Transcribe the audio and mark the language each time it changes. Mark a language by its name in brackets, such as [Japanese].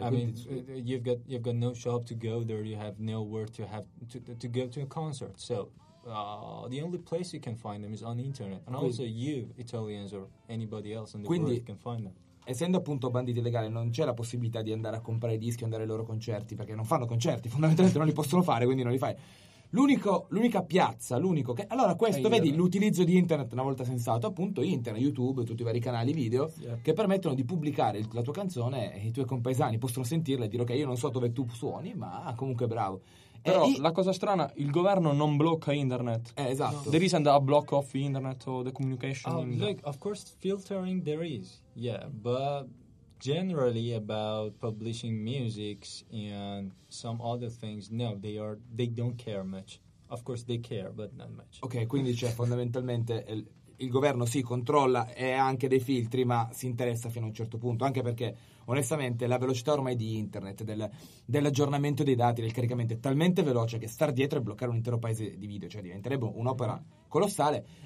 [English] I mean, you've got no shop to go there, you have nowhere to go to a concert. So... the only place you can find them is on the internet, and also you Italians or anybody else in the world can find them. [Italian] Essendo appunto banditi illegali, non c'è la possibilità di andare a comprare dischi, andare ai loro concerti, perché non fanno concerti, fondamentalmente non li possono fare, quindi non li fai. l'unica piazza, l'unico che... Allora questo, hey, vedi, l'utilizzo di internet una volta sensato, appunto internet, YouTube, tutti i vari canali video, yeah, che permettono di pubblicare la tua canzone e i tuoi compaesani possono sentirla e dire ok, io non so dove tu suoni, ma comunque bravo. Però la cosa strana, il governo non blocca internet. Esatto. [English] No. There isn't a block of internet or the communication. Like, of course, filtering there is, yeah, but generally about publishing music and some other things, no, they don't care much. Of course they care, but not much. [Italian] Ok, quindi c'è fondamentalmente il governo sì, controlla e ha anche dei filtri, ma si interessa fino a un certo punto, anche perché onestamente la velocità ormai di internet, dell'aggiornamento dei dati, del caricamento è talmente veloce che star dietro e bloccare un intero paese di video, cioè diventerebbe un'opera colossale.